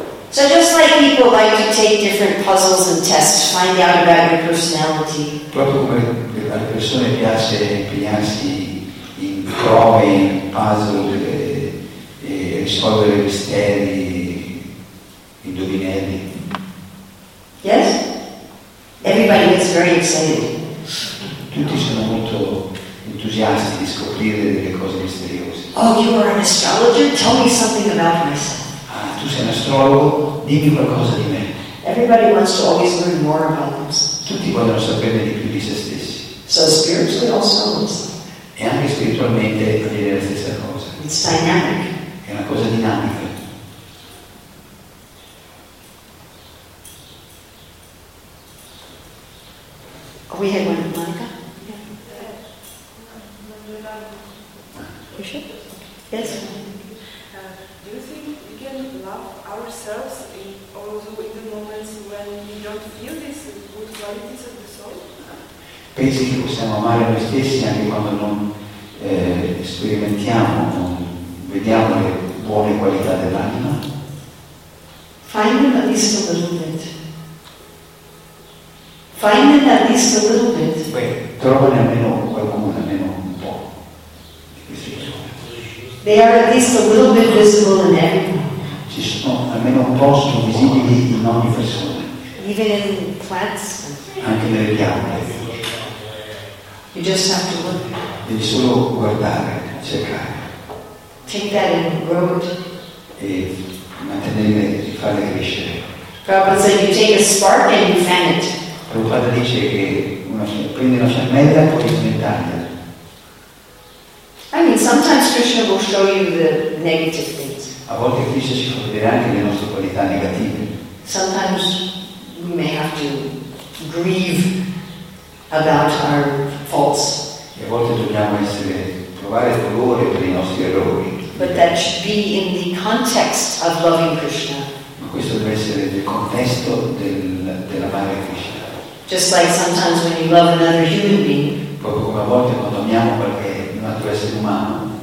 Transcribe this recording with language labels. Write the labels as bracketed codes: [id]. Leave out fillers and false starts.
[en] So just like people like to take different puzzles and tests to find out about your personality. [it] Proprio come le persone piace impegnarsi in prove, in puzzle, e risolvere misteri, indovinelli. [en] Yes? Everybody gets very excited. [it] Tutti sono molto entusiasti di scoprire delle cose misteriose. [en] Oh, you are an astrologer? Tell me something about myself. [it] Tu sei un astrologo, dimmi qualcosa di me. [en] Everybody wants to always learn more about themselves. [it] Tutti vogliono sapere di più di se stessi. [en] So spiritually also. [it] E anche spiritualmente dire la stessa cosa. [en] It's dynamic. [it] È una cosa dinamica. [en] We had one, Monica. Yes. Ourselves in also in the moments when we don't feel these good qualities of the soul? [it] Pensi che possiamo amare noi stessi anche quando non sperimentiamo, non vediamo le buone qualità dell'anima? [en] Find them at least a little bit. [it] Beh, trovane almeno qualcuno, almeno un po'. [en] They are at least a little bit visible in everyone. [it] Ci sono almeno un posto visibili in ogni persona. [en] Even in plants. [it] Anche nelle piante. [en] You just have to look. [it] Devi solo guardare, cercare. [en] Take that and grow it. [it] E mantenere e farle crescere. [en] Prabhupada said you take a spark and you fan it. [it] Prabhupada dice che prendi una fiammella e puoi sventarla. [en] I mean sometimes Krishna will show you the negative things. [it] A volte Krishna ci coprirà anche le nostre qualità negative. [en] Sometimes we may have to grieve about our faults. [it] E a volte dobbiamo provare dolore per i nostri errori. [en] But that should be in the context of loving Krishna. [it] Ma questo deve essere nel contesto dell'amare Krishna. [en] Just like sometimes when you love another human being. [it] Proprio come a volte quando amiamo un altro essere umano.